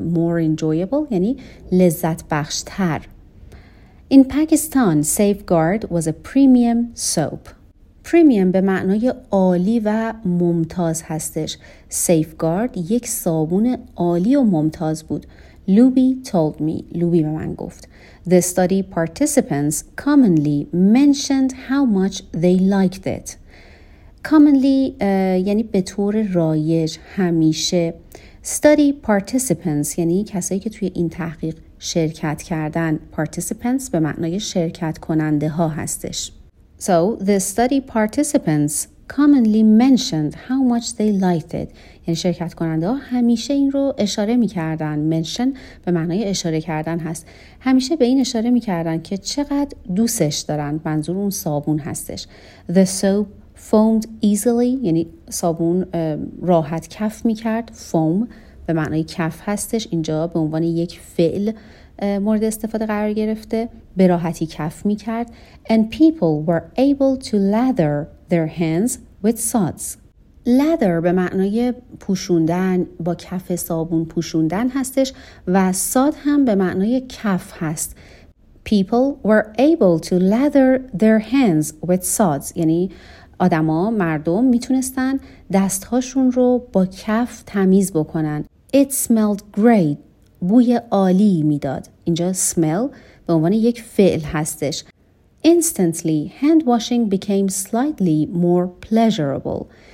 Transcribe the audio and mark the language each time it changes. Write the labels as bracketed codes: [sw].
[en] More enjoyable [fa] یعنی لذت بخش تر. [en] In Pakistan, safeguard was a premium soap. [fa] Premium به معنای عالی و ممتاز هستش. Safeguard یک صابون عالی و ممتاز بود. [en] Luby told me. Luby [fa] به من گفت. [en] The study participants commonly mentioned how much they liked it. [fa] Commonly یعنی به طور رایج، همیشه. [en] Study participants [fa] یعنی کسایی که توی این تحقیق شرکت کردن. Participants به معنای شرکت کننده ها هستش. [en] So the study participants commonly mentioned how much they liked it. [fa] یعنی شرکت کننده ها همیشه این رو اشاره می کردن. Mention به معنای اشاره کردن هست. همیشه به این اشاره می کردن که چقدر دوستش دارن. منظور اون صابون هستش. [en] The soap foamed easily. [fa] یعنی صابون راحت کف می کرد. Foam به معنای کف هستش. اینجا به عنوان یک فعل مورد استفاده قرار گرفته. به راحتی کف می کرد. [en] And people were able to lather their hands with suds. [fa] Lather به معنای پوشوندن، با کف صابون پوشوندن هستش و sud هم به معنای کف هست. [en] People were able to lather their hands with suds. [fa] یعنی آدم ها، مردم میتونستن دست هاشون رو با کف تمیز بکنن. [en] It smelled great. [fa] بوی عالی میداد. اینجا smell به عنوان یک فعل هستش. [en] Instantly, hand washing became slightly more pleasurable.